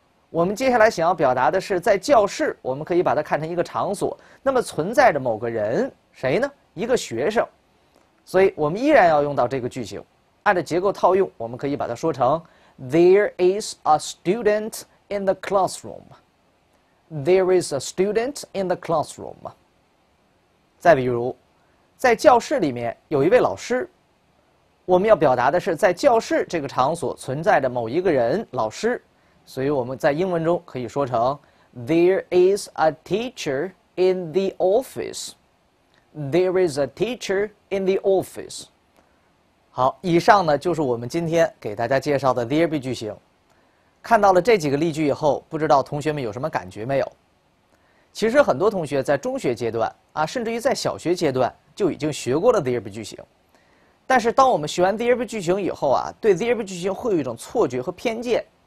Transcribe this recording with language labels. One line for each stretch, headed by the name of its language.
Chinese: 我们接下来想要表达的是，在教室，我们可以把它看成一个场所。那么存在着某个人，谁呢？一个学生。所以我们依然要用到这个句型。按照结构套用，我们可以把它说成 There is a student in the classroom.
English: There is a student in the classroom.
Chinese: 再比如，在教室里面有一位老师。我们要表达的是，在教室这个场所存在着某一个人，老师。所以我们在英文中可以说成 There is a teacher in the office.
English: There is a teacher in the office.
Chinese: 好，以上呢就是我们今天给大家介绍的 there be 句型。看到了这几个例句以后，不知道同学们有什么感觉没有？其实很多同学在中学阶段啊，甚至于在小学阶段就已经学过了 there be 句型。但是当我们学完 there be 句型以后啊，对 there be 句型会有一种错觉和偏见。